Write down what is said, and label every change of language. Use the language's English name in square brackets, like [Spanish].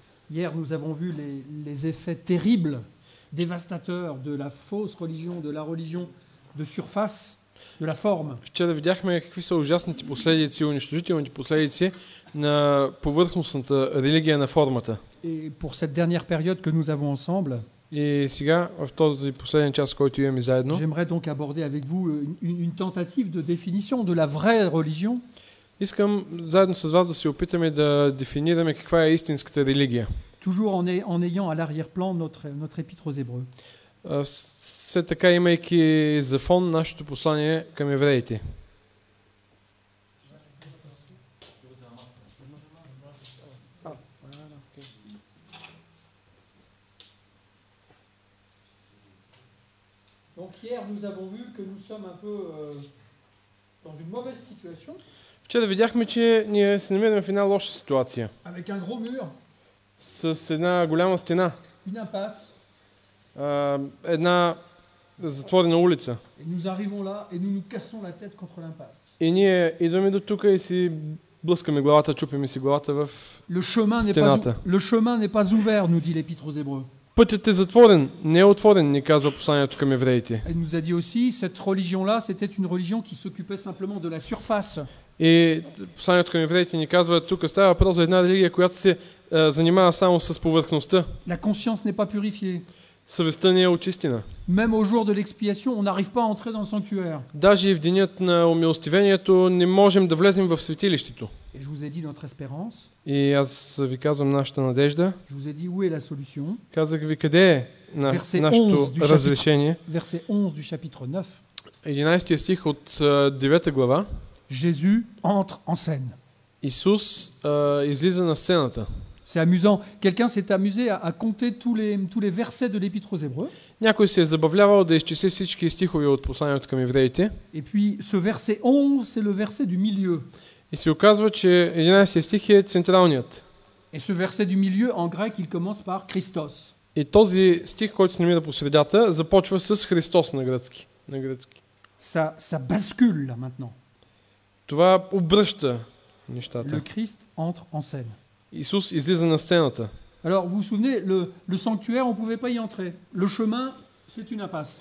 [French] Hier, nous avons vu les effets terribles, dévastateurs de la fausse religion, de la religion de surface, de la forme. [Bulgarian] Вчера видяхме какви са ужасните последици, унищожителните последици на повърхностната религия, на формата. [French] Et pour cette dernière période que nous avons ensemble, [Bulgarian] et сега, в този последен час, който имаме заедно, [French] j'aimerais donc aborder avec vous une tentative de définition de la vraie religion. [Bulgarian] Искам заедно с вас да се опитаме да дефинираме каква е истинската религия. [French] Toujours en ayant à l'arrière-plan notre épître aux Hébreux. [Bulgarian] Все така, имайки за фон нашето послание към евреите. [French] Donc hier nous avons vu que nous sommes un peu dans une mauvaise situation. [Bulgarian] Вчера видяхме, че ние се намираме в една лоша ситуация. [French] Avec un gros mur. [Bulgarian] С една голяма стена. [French] Une impasse. [Bulgarian] Една затворена улица. [French] Et nous arrivons là et nous cassons la tête contre l'impasse. [Bulgarian] И ние идваме до тук и си блъскаме главата, чупиме си главата в стената. [French] Le chemin n'est pas ouvert, nous dit l'épître aux Hébreux. [Bulgarian] Пътят е затворен, не е отворен, ни казва посланието към евреите. [French] Et nous a dit aussi cette religion là, c'était une religion qui s'occupait simplement de la surface. [Bulgarian] И посланието към евреите ни казва, тук става въпрос за една религия, която се занимава само с повърхността. [French] La conscience n'est pas purifiée. [Bulgarian] Съвестта не е очистена. [French] Même au jour de l'expiation, on n'arrive pas à entrer dans le sanctuaire. [Bulgarian] Даже и в денят на умилостивението не можем да влезем в светилището. [French] Et je vous ai dit notre espérance. [Bulgarian] И аз ви казвам нашата надежда. [French] Je vous ai dit où est la solution. [Bulgarian] Казах ви къде е нашето разрешение. [French] Verset 11 du chapitre 9. [Bulgarian] 11 стих от 9 глава. [French] Jésus entre en scène. [Bulgarian] Исус излиза на сцената. [French] C'est amusant. Quelqu'un s'est amusé à compter tous les versets de l'Épître aux Hébreux. [Bulgarian] Някой се е забавлявал да изчисли всички стихове от посланието към евреите. [French] Et puis ce verset 11, c'est le verset du milieu. [Bulgarian] И се оказва, че 11 стих е централният. [French] Et ce verset du milieu en grec, il commence par Christos. [Bulgarian] И този стих, който се намира по средата, започва с Христос на гръцки. [French] Ça bascule là maintenant. [Bulgarian] Това обръща нещата. [French] Le Christ entre en scène. [Bulgarian] Исус излиза на сцената. [French] Alors, vous souvenez, le sanctuaire, on pouvait pas y entrer. Le chemin, c'est une impasse.